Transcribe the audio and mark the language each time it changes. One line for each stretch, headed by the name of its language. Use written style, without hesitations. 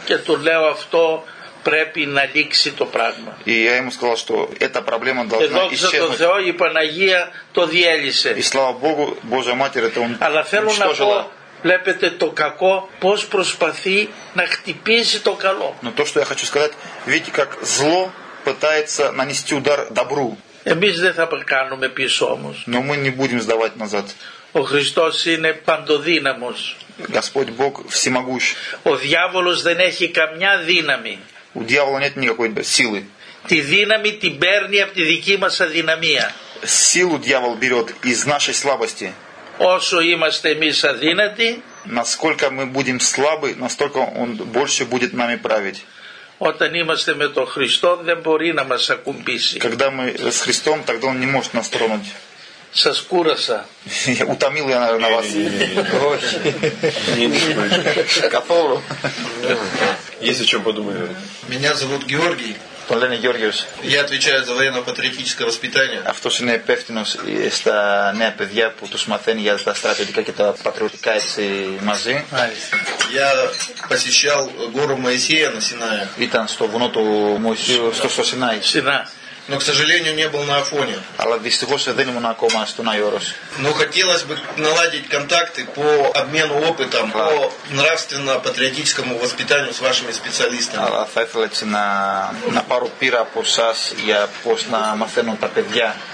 Greek: Και του λέω αυτό πρέπει να λήξει το πράγμα.
Russian: И я ему сказал, что эта проблема должна исчезнуть.
Greek: Εδώ, ξέρω, Θεό, η Παναγία το διέλυσε.
Russian: И слава Богу, Божья Матерь это уничтожила.
Greek: Αλλά θέλω να πω, βλέπετε το κακό πώς προσπαθεί να χτυπήσει το καλό.
Russian: Но то, что я хочу сказать, видите, как зло пытается нанести удар добру.
Greek: Εμείς δεν θα κάνουμε πίσω όμως.
Russian: Но мы не будем сдавать назад.
Greek: Ο Χριστός είναι παντοδύναμος.
Russian: Господь Бог всемогущ.
Greek: Ο διάβολος δεν έχει καμιά δύναμη.
Russian: У дьявола нет никакой силы.
Greek: Τη δύναμη την παίρνει από τη δική μας αδυναμία.
Russian: Силу дьявол берет из нашей слабости.
Greek: Όσο είμαστε εμείς αδύνατοι,
Russian: насколько мы будем слабы, настолько он больше будет нами править.
Greek: Όταν είμαστε με τον Χριστό, δεν μπορεί να μας ακουμπήσει.
Russian: Когда мы с Христом, тогда он не может нас тронуть.
Greek: Σας κούρασα.
Russian: Ουταμίλ я, наверное, на вас.
Greek: Όχι. Καθόλου.
Russian: Есть о чем подумать. Меня зовут Георгий. Он Лене Георгиевич. Я отвечаю за военно-патриотическое воспитание.
Greek: Αυτός είναι υπεύθυνος στα νέα παιδιά που τους μαθαίνει για τα στρατιωτικά και τα πατριωτικά έτσι μαζί.
Russian: Я посещал гору Моисея на Синае.
Greek: Ήταν στο βουνό του Μωυσίου, στο Σινάι. Σινά.
Russian: Но, к сожалению, не был на Афоне.
Greek: Αλλά δυστυχώς δεν ήμουν ακόμα στον Άγιο.
Russian: Но хотелось бы наладить контакты по обмену опытом, по нравственно-патриотическому воспитанию с вашими специалистами.
Greek: Αλλά θα ήθελα έτσι να πάρω πείρα από εσάς για πώς να μαθαίνουν τα παιδιά.